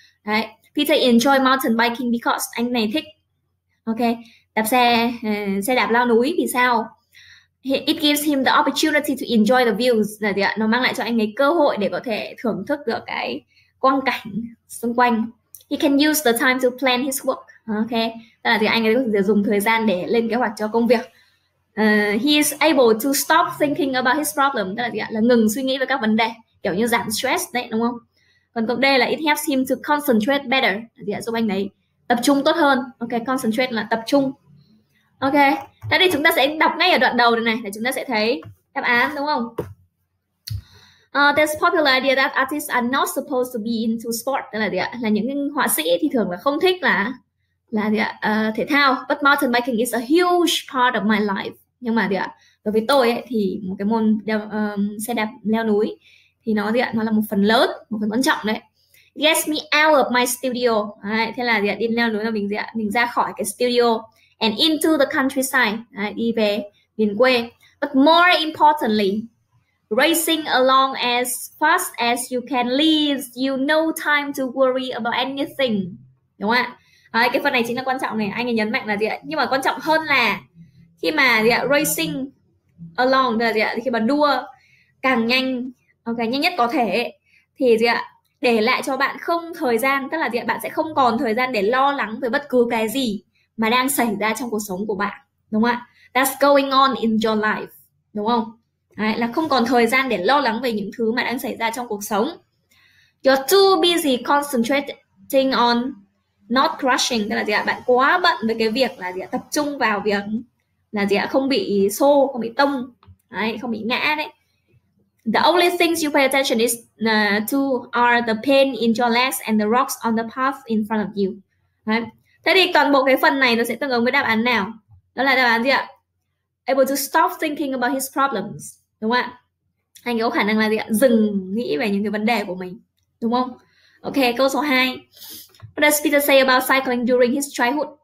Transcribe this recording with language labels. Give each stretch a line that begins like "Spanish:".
Vietnamese: Đấy,
English: Peter enjoy mountain biking because
Vietnamese: anh này thích, ok, đạp xe đạp lao núi vì sao?
English: It gives him the opportunity to enjoy the views,
Vietnamese: là gì ạ? Nó mang lại cho anh ấy cơ hội để có thể thưởng thức được cái quang cảnh xung quanh.
English: He can use the time to plan his work.
Vietnamese: Ok, tức là thì anh ấy có thể dùng thời gian để lên kế hoạch cho công việc.
English: He is able to stop thinking about his problem,
Vietnamese: tức là gì ạ? Là ngừng suy nghĩ về các vấn đề, kiểu như giảm stress đấy, đúng không? Còn câu D là
English: it helps him to concentrate better,
Vietnamese: là gì ạ? Giúp anh ấy tập trung tốt hơn. Ok, concentrate là tập trung. Ok, thế thì chúng ta sẽ đọc ngay ở đoạn đầu này để chúng ta sẽ thấy đáp án, đúng không?
English: There's popular idea that artists are not supposed to be into sport,
Vietnamese: tức là gì ạ? Là những họa sĩ thì thường là không thích là gì ạ? Thể thao.
English: But mountain biking is a huge part of my life.
Vietnamese: Nhưng mà gì ạ? Đối với tôi ấy, thì một cái môn xe đạp leo núi thì nó gì ạ? Nó là một phần lớn, một phần quan trọng đấy.
English: It gets me out of my studio.
Vietnamese: Đấy, thế là gì ạ? Đi leo núi là mình gì ạ? Mình ra khỏi cái studio
English: and into the countryside.
Vietnamese: Đấy, đi về miền quê.
English: But more importantly, racing along as fast as you can leaves you no time to worry about anything.
Vietnamese: Đúng không ạ? Đấy, cái phần này chính là quan trọng này, anh ấy nhấn mạnh là gì ạ? Nhưng mà quan trọng hơn là khi mà gì ạ?
English: Racing along,
Vietnamese: tức là gì ạ? Khi mà đua càng nhanh, ok, nhanh nhất có thể thì gì ạ? Để lại cho bạn không thời gian, tức là gì ạ? Bạn sẽ không còn thời gian để lo lắng về bất cứ cái gì mà đang xảy ra trong cuộc sống của bạn, đúng không ạ?
English: That's going on in your life,
Vietnamese: đúng không? Đấy, là không còn thời gian để lo lắng về những thứ mà đang xảy ra trong cuộc sống.
English: You're too busy concentrating on not crushing,
Vietnamese: tức là gì ạ? Bạn quá bận với cái việc là gì ạ? Tập trung vào việc là gì ạ? Không bị xô, không bị tông, đấy, không bị ngã đấy.
English: The only things you pay attention is to are the pain in your legs and the rocks on the path in front of you.
Vietnamese: Đấy. Thế thì toàn bộ cái phần này nó sẽ tương ứng với đáp án nào? Đó là đáp án gì ạ?
English: Able to stop thinking about his problems,
Vietnamese: đúng không ạ? Anh có khả năng là gì ạ? Dừng nghĩ về những cái vấn đề của mình, đúng không? Ok, câu số 2.
English: What does Peter say about cycling during his childhood?